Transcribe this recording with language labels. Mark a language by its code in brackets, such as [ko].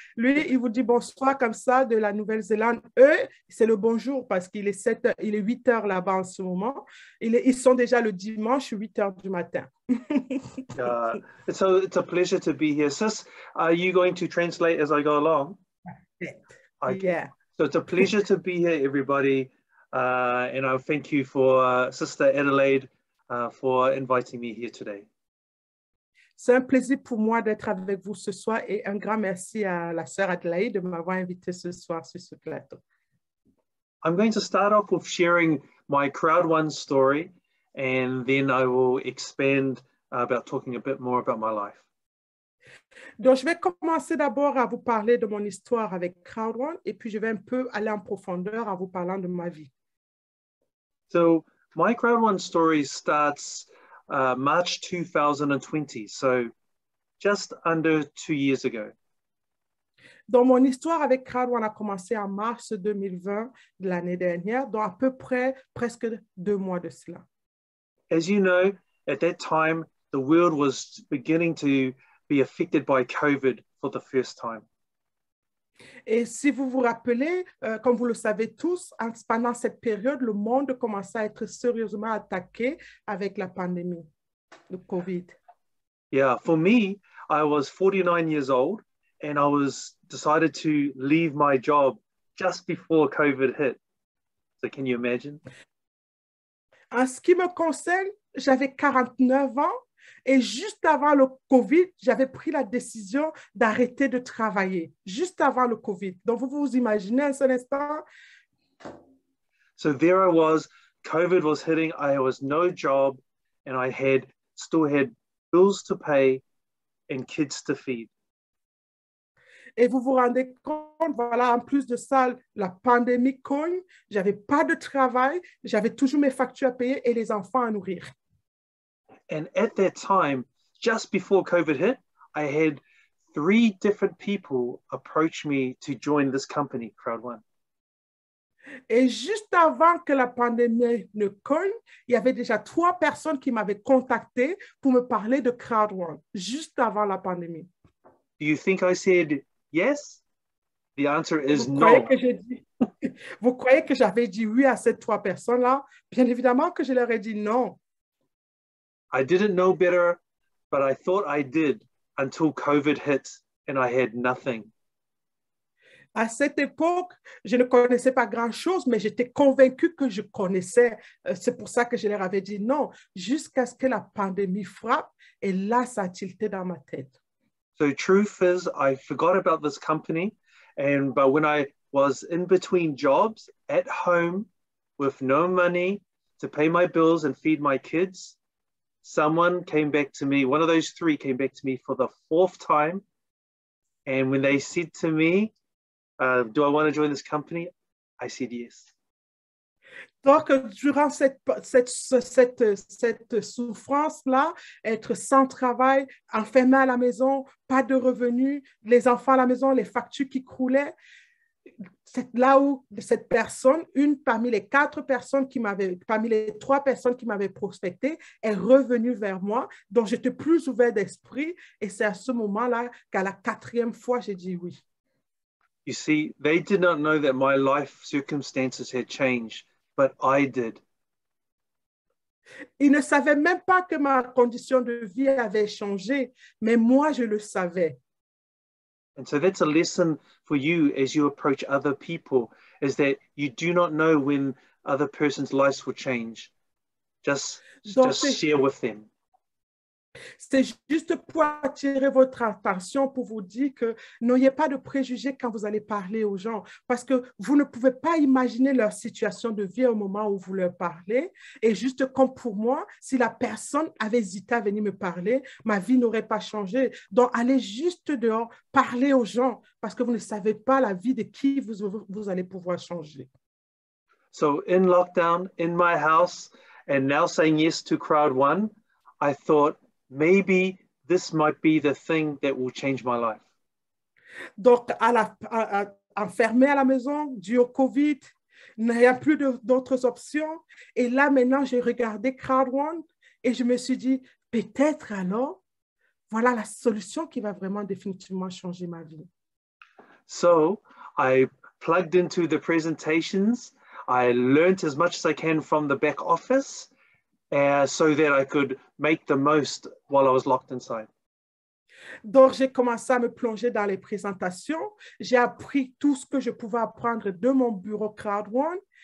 [fr] Lui, il vous dit bonsoir comme ça de la Nouvelle-Zélande. Eux, c'est le bonjour parce qu'il est 7, il est 8 heures là-bas en ce moment. Ils sont déjà le dimanche 8 heures du matin. [en] it's a pleasure to be here. Sis, are you going to translate as I go along? Yeah. So it's a pleasure to be here, everybody. And I thank you for Sister Adelaide for inviting me here today. [fr] C'est un plaisir pour moi d'être avec vous ce soir et un grand merci à la sœur Adelaide de m'avoir invité ce soir sur ce plateau. [en] I'm going to start off with sharing my Crowd One story and then I will expand about talking a bit more about my life. [fr] Donc, je vais commencer d'abord à vous parler de mon histoire avec Crowd One et puis je vais un peu aller en profondeur en vous parlant de ma vie. [en] So, my Crowd One story starts March 2020, so just under 2 years ago. [fr] Donc, mon histoire avec Crowd One a commencé en mars 2020 de l'année dernière, donc à peu près, presque 2 mois de cela. [en] As you know, at that time, the world was beginning to be affected by COVID for the first time. [fr] Et si vous vous rappelez, comme vous le savez tous, pendant cette période, le monde commençait à être sérieusement attaqué avec la pandémie, le COVID. [en] Yeah, for me, I was 49 years old and I was decided to leave my job just before COVID hit. So can you imagine? [fr] En ce qui me concerne, j'avais 49 ans et juste avant le COVID, j'avais pris la décision d'arrêter de travailler, juste avant le COVID. Donc, vous vous imaginez un seul instant? [en] So there I was, COVID was hitting, I was no job, and I had, still had bills to pay and kids to feed. [fr] Et vous vous rendez compte, voilà, en plus de ça, la pandémie cogne, j'avais pas de travail, j'avais toujours mes factures à payer et les enfants à nourrir. [en] And at that time, just before COVID hit, I had 3 different people approach me to join this company, Crowd One. [fr] Et juste avant que la pandémie ne cogne, il y avait déjà 3 personnes qui m'avaient contacté pour me parler de Crowd One, juste avant la pandémie. [en] Do you think I said yes? The answer is [fr] vous [en] no. [fr] Croyez que j'ai dit, vous croyez que j'avais dit oui à ces 3 personnes-là? Bien évidemment que je leur ai dit non. [en] I didn't know better, but I thought I did until COVID hit and I had nothing. [fr] À cette époque, je ne connaissais pas grand-chose, mais j'étais convaincue que je connaissais. C'est pour ça que je leur avais dit non, jusqu'à ce que la pandémie frappe. Et là, ça a tilté dans ma tête. [en] So truth is, I forgot about this company, and but when I was in between jobs at home with no money to pay my bills and feed my kids, someone came back to me, one of those three came back to me for the fourth time. And when they said to me, do I want to join this company? I said yes. [fr] Donc, durant cette souffrance-là, être sans travail, enfermé à la maison, pas de revenus, les enfants à la maison, les factures qui croulaient, c'est là où cette personne, une parmi les quatre personnes qui m'avaient, parmi les trois personnes qui m'avaient prospecté, est revenue vers moi, donc j'étais plus ouvert d'esprit, et c'est à ce moment-là qu'à la quatrième fois, j'ai dit oui. [en] You see, they did not know that my life circumstances had changed. But I did. [fr] Il ne savait même pas que ma condition de vie avait changé, mais moi je le savais. [en] And so that's a lesson for you as you approach other people, is that you do not know when other person's lives will change. Just share with them. [fr] C'est juste pour attirer votre attention, pour vous dire que n'ayez pas de préjugés quand vous allez parler aux gens, parce que vous ne pouvez pas imaginer leur situation de vie au moment où vous leur parlez. Et juste comme pour moi, si la personne avait hésité à venir me parler, ma vie n'aurait pas changé. Donc, allez juste dehors, parlez aux gens, parce que vous ne savez pas la vie de qui vous allez pouvoir changer. [en] So, in lockdown, in my house, and now saying yes to crowd one, I thought, maybe this might be the thing that will change my life. [fr] Donc, enfermé à la maison, dû au COVID, n'ayant plus d'autres options. Et là, maintenant, j'ai regardé Crowd One et je me suis dit, peut-être alors, voilà la solution qui va vraiment définitivement changer ma vie. [en] So, I plugged into the presentations. I learned as much as I can from the back office. So that I could make the most while I was locked inside. [fr] Donc, j'ai commencé à me plonger dans les présentations. J'ai appris tout ce que je pouvais apprendre de mon bureau Crowd One.